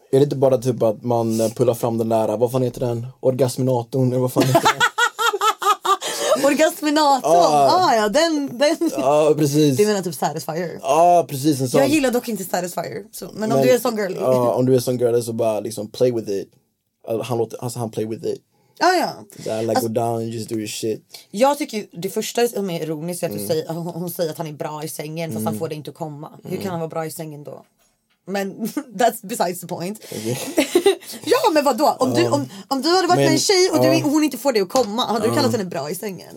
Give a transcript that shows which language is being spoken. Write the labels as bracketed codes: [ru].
[sv] Är det inte bara typ att man pullar fram den där, vad fan heter den? Orgasminatorn, eller vad fan heter den? Orgasminator. Ja, den. Ja, precis. Det menar typ Satisfyer. Ja, precis, en sån. Jag gillar dock inte Satisfyer, så, men om du är en sån girl. Ja, om du är en sån girl så bara liksom [en] play with it. Han play with it. [sv] Ja. [en] That, like, alltså, go down and just do your shit. [sv] Jag tycker det första som är ironiskt är att hon säger att han är bra i sängen, fast han får det inte att komma. Hur kan han vara bra i sängen då? Men [en] that's besides the point. [sv] Okay. Ja, men vadå? Om du hade varit med en tjej och hon inte får det att komma, hade du kallat henne bra i sängen?